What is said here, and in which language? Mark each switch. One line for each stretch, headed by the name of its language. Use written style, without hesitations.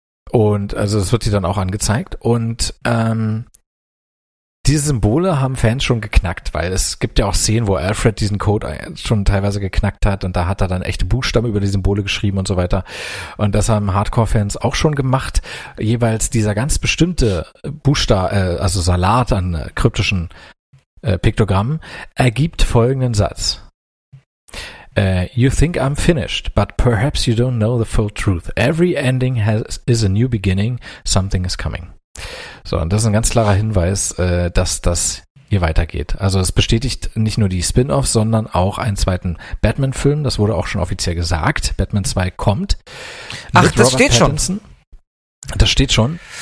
German: Und, also, das wird dir dann auch angezeigt und, diese Symbole haben Fans schon geknackt, weil es gibt ja auch Szenen, wo Alfred diesen Code schon teilweise geknackt hat und da hat er dann echte Buchstaben über die Symbole geschrieben und so weiter. Und das haben Hardcore-Fans auch schon gemacht. Jeweils dieser ganz bestimmte also Salat an kryptischen Piktogrammen, ergibt folgenden Satz.
English: You think I'm finished, but perhaps you don't know the full truth. Every ending is a new beginning. Something is coming.
German: So, und das ist ein ganz klarer Hinweis, dass das hier weitergeht. Also es bestätigt nicht nur die Spin-Offs, sondern auch einen zweiten Batman-Film. Das wurde auch schon offiziell gesagt. Batman 2 kommt. Ach, das steht schon. Das steht schon.